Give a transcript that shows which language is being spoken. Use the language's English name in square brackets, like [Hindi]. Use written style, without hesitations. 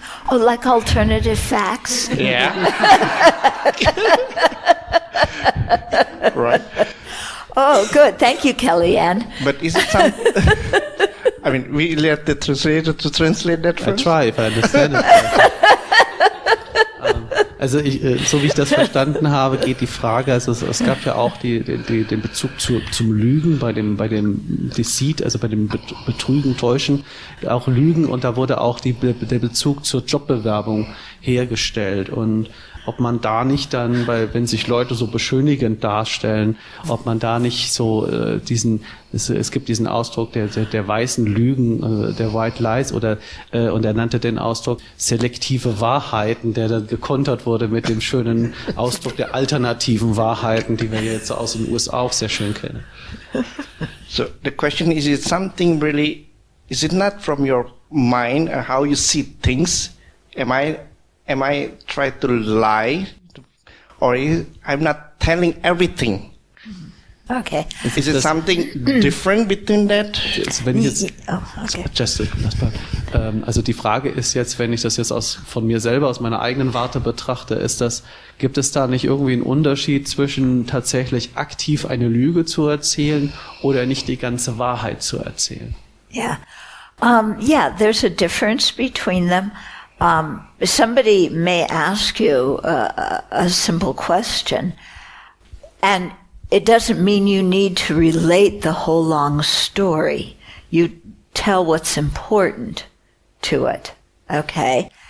[English] Oh, like alternative facts? Yeah. Right. Oh, good. Thank you, Kellyanne. But is it some... I mean, we let the translator to translate that first? I try, if I understand it. [German] Also ich, so wie ich das verstanden habe, geht die Frage, also es gab ja auch den Bezug zum Lügen bei dem Deceit, also bei dem Betrügen, Täuschen, auch Lügen, und da wurde auch der Bezug zur Jobbewerbung hergestellt, und ob man da nicht dann, weil wenn sich Leute so beschönigend darstellen, ob man da nicht so diesen, es gibt diesen Ausdruck der weißen Lügen, der White Lies, oder und er nannte den Ausdruck selektive Wahrheiten, der dann gekontert wurde mit dem schönen Ausdruck der alternativen Wahrheiten, die wir jetzt aus den USA auch sehr schön kennen. [English] So the question is it something really, is it not from your mind how you see things? Am I try to lie, or I'm not telling everything? Okay. Is it something different between that? [German] Also die Frage ist jetzt, wenn ich das jetzt von mir selber, aus meiner eigenen Warte betrachte, ist das, gibt es da nicht irgendwie einen Unterschied zwischen tatsächlich aktiv eine Lüge zu erzählen oder nicht die ganze Wahrheit zu erzählen? [English] Yeah. There's a difference between them. Somebody may ask you a simple question, and it doesn't mean you need to relate the whole long story. You tell what's important to it, okay?